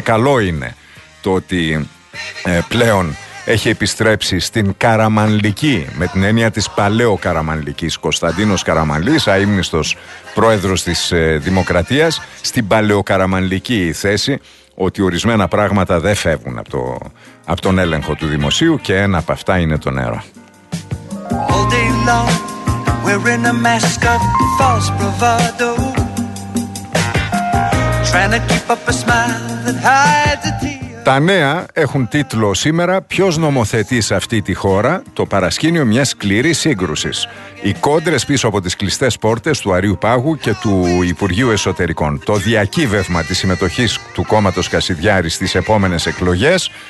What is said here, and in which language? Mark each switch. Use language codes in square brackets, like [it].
[el] Καλό είναι το ότι πλέον έχει επιστρέψει στην Καραμανλική, με την έννοια της παλαιοκαραμανλικής, Κωνσταντίνος Καραμανλής, αείμνηστος πρόεδρος της Δημοκρατίας, στην παλαιοκαραμανλική η θέση ότι ορισμένα πράγματα δεν φεύγουν από τον έλεγχο του δημοσίου και ένα από αυτά είναι το νερό. [en] All day long. We're in a mask of false bravado, trying to keep up a smile that hides a tear. [el] Τα νέα έχουν τίτλο σήμερα «Ποιος νομοθετεί σε αυτή τη χώρα το παρασκήνιο μιας σκληρής σύγκρουσης». Οι κόντρες πίσω από τις κλειστές πόρτες του Αρείου Πάγου και του Υπουργείου Εσωτερικών. Το διακύβευμα της συμμετοχής του κόμματος Κασιδιάρη στις επόμενες εκλογές.